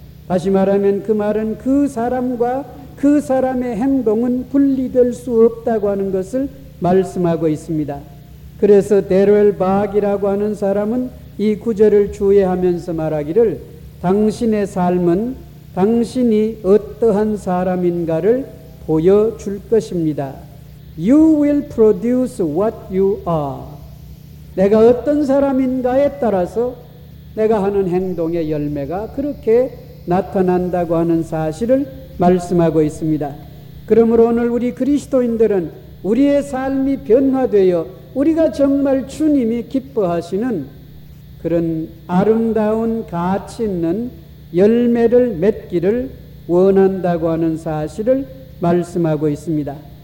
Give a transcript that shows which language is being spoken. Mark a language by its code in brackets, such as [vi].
[ko] 다시 말하면 그 말은 그 사람과 그 사람의 행동은 분리될 수 없다고 하는 것을 말씀하고 있습니다. 그래서 데르엘 바악이라고 하는 사람은 이 구절을 주의하면서 말하기를 당신의 삶은 당신이 어떠한 사람인가를 보여줄 것입니다. [en] You will produce what you are. [ko] 내가 어떤 사람인가에 따라서 내가 하는 행동의 열매가 그렇게 나타난다고 하는 사실을 말씀하고 있습니다. 그러므로 오늘 우리 그리스도인들은 우리의 삶이 변화되어 우리가 정말 주님이 기뻐하시는 그런 아름다운 가치 있는 열매를 맺기를 원한다고 하는 사실을 말씀하고 있습니다.